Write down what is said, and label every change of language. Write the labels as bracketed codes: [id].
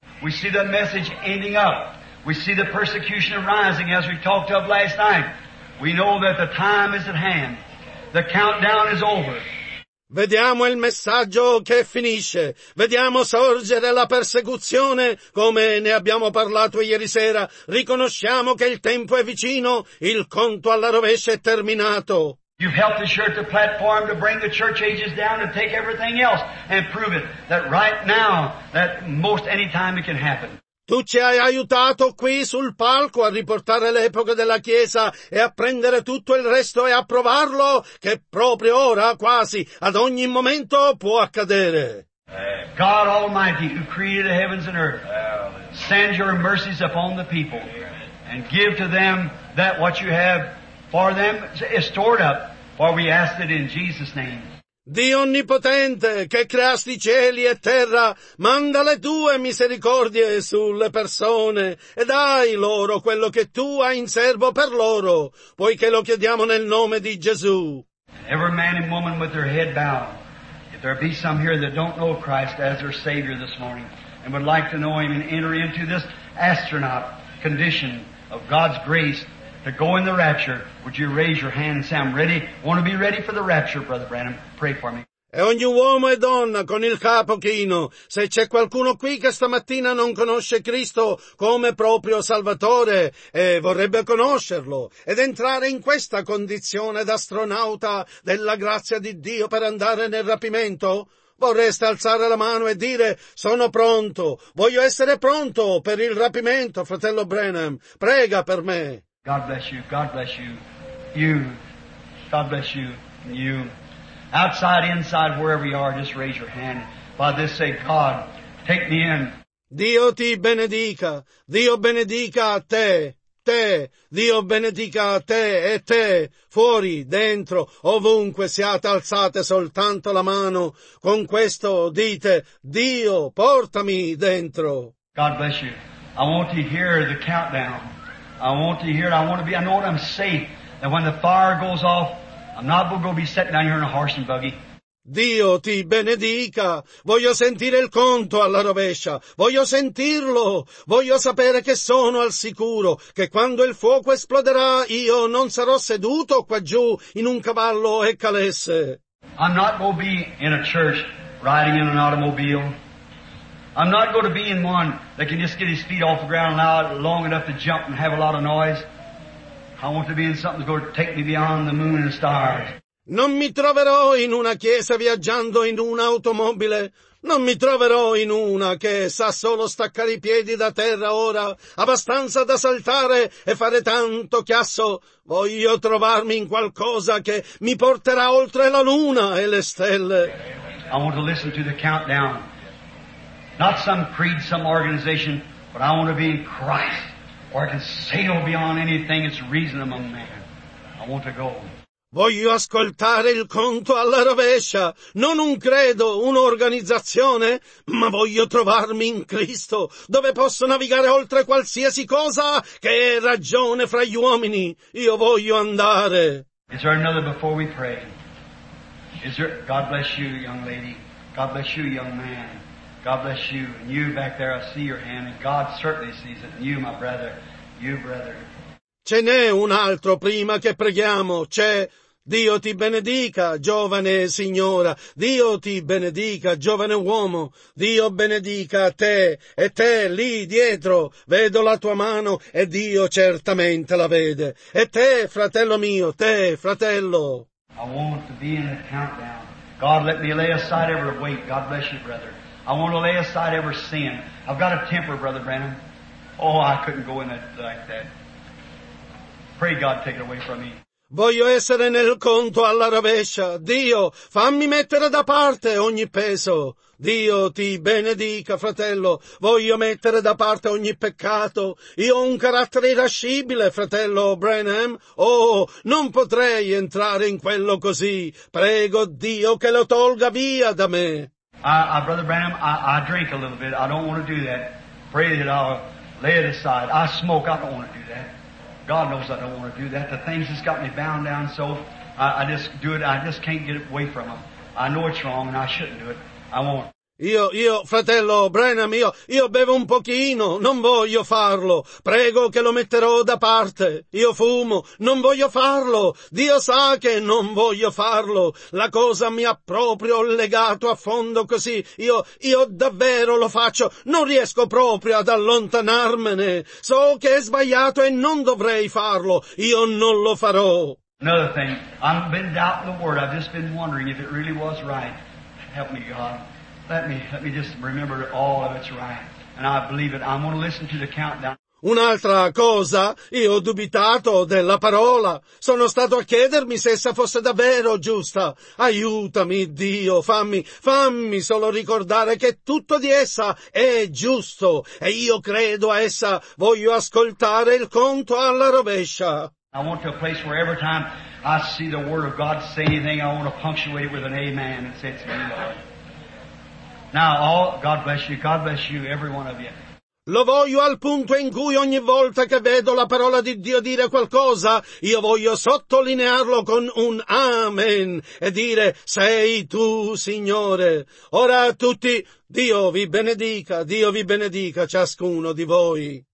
[en] We see the message ending up. We see the persecution rising as we talked of last night. We know that the time is at hand. The countdown is over. [it] Vediamo il messaggio che finisce. Vediamo sorgere la persecuzione, come ne abbiamo parlato ieri sera. Riconosciamo che il tempo è vicino. Il conto alla rovescia è terminato. [en] You've helped assure the platform to bring the church ages down and take everything else and prove it that right now, that most any time it can happen. [it] Tu ci hai aiutato qui sul palco a riportare l'epoca della Chiesa e a prendere tutto il resto e a provarlo che proprio ora, quasi, ad ogni momento può accadere. [en] God Almighty, who created the heavens and earth, send your mercies upon the people and give to them that what you have for them is stored up, for we ask it in Jesus' name. [it] Dio Onnipotente, che creasti cieli e terra, manda le tue misericordie sulle persone e dai loro quello che tu hai in serbo per loro, poiché lo chiediamo nel nome di Gesù. [en] Every man and woman with their head bowed, if there be some here that don't know Christ as their Savior this morning and would like to know Him and enter into this astronaut condition of God's grace, to go in the rapture, would you raise your hand and say, I'm ready, want to be ready for the rapture, Brother Branham, pray for me. [it] E ogni uomo e donna con il capo chino, se c'è qualcuno qui che stamattina non conosce Cristo come proprio Salvatore e vorrebbe conoscerlo ed entrare in questa condizione d'astronauta della grazia di Dio per andare nel rapimento, vorreste alzare la mano e dire, sono pronto, voglio essere pronto per il rapimento, fratello Branham, prega per me. [en] God bless you, God bless you, you, God bless you, you. Outside, inside, wherever you are, just raise your hand. By this say, God, take me in. [it] Dio ti benedica, Dio benedica a te, te, Dio benedica a te e te, fuori, dentro, ovunque siate, alzate soltanto la mano. Con questo dite, Dio, portami dentro. [en] God bless you. I want you to hear the countdown. I want to hear it. I want to be, I know that I'm safe. And when the fire goes off, I'm not going to be sitting down here in a horse and buggy. [it] Dio ti benedica. Voglio sentire il conto alla rovescia. Voglio sentirlo. Voglio sapere che sono al sicuro. Che quando il fuoco esploderà, io non sarò seduto qua giù in un cavallo e calesse. [en] I'm not going to be in a church riding in an automobile. I'm not going to be in one that can just get his feet off the ground and out long enough to jump and have a lot of noise. I want to be in something that's going to take me beyond the moon and the stars. [it] Non mi troverò in una chiesa viaggiando in un'automobile. Non mi troverò in una che sa solo staccare i piedi da terra ora, abbastanza da saltare e fare tanto chiasso. Voglio trovarmi in qualcosa che mi porterà oltre la luna e le stelle. [en] I want to listen to the countdown. Not some creed, some organization, but I want to be in Christ, where I can sail beyond anything that's reason among man. I want to go. [it] Voglio ascoltare il conto alla rovescia, non un credo, un'organizzazione, ma voglio trovarmi in Cristo, dove posso navigare oltre qualsiasi cosa che è ragione fra gli uomini. Io voglio andare. [en] Is there another before we pray? Is there? God bless you, young lady. God bless you, young man. God bless you, and you back there, I see your hand, and God certainly sees it, and you, my brother, you, brother. [it] Ce n'è un altro prima che preghiamo, c'è. Dio ti benedica, giovane signora. Dio ti benedica, giovane uomo. Dio benedica te, e te lì dietro. Vedo la tua mano, e Dio certamente la vede. E te, fratello mio, te, fratello. [en] I want to be in the countdown. God, let me lay aside every weight. God bless you, brother. I want to lay aside every sin. I've got a temper, Brother Branham. Oh, I couldn't go in it like that. Pray God take it away from me. [it] Voglio essere nel conto alla rovescia. Dio, fammi mettere da parte ogni peso. Dio ti benedica, fratello. Voglio mettere da parte ogni peccato. Io ho un carattere irascibile, fratello Branham. Oh, non potrei entrare in quello così. Prego Dio che lo tolga via da me. [en] Brother Branham, I drink a little bit. I don't want to do that. Pray that I'll lay it aside. I smoke. I don't want to do that. God knows I don't want to do that. The things that's got me bound down so, I just do it. I just can't get away from them. I know it's wrong and I shouldn't do it. I won't. [it] Io, fratello Branham, io bevo un pochino. Non voglio farlo. Prego che lo metterò da parte. Io fumo. Non voglio farlo. Dio sa che non voglio farlo. La cosa mi ha proprio legato a fondo così. Io davvero lo faccio. Non riesco proprio ad allontanarmene. So che è sbagliato e non dovrei farlo. Io non lo farò. [en] Another thing. I've been doubting the word. I've just been wondering if it really was right. Help me, God. Let me just remember all of it's right. And I believe it. I'm going to listen to the countdown. [it] Un'altra cosa, io ho dubitato della parola. Sono stato a chiedermi se essa fosse davvero giusta. Aiutami, Dio, fammi solo ricordare che tutto di essa è giusto. E io credo a essa. Voglio ascoltare il conto alla rovescia. [en] I want to a place where every time I see the Word of God say anything, I want to punctuate it with an amen and say it's me, Lord. Now, all, God bless you. God bless you, every one of you. [it] Lo voglio al punto in cui ogni volta che vedo la parola di Dio dire qualcosa, io voglio sottolinearlo con un amen e dire, sei tu, Signore. Ora a tutti, Dio vi benedica ciascuno di voi.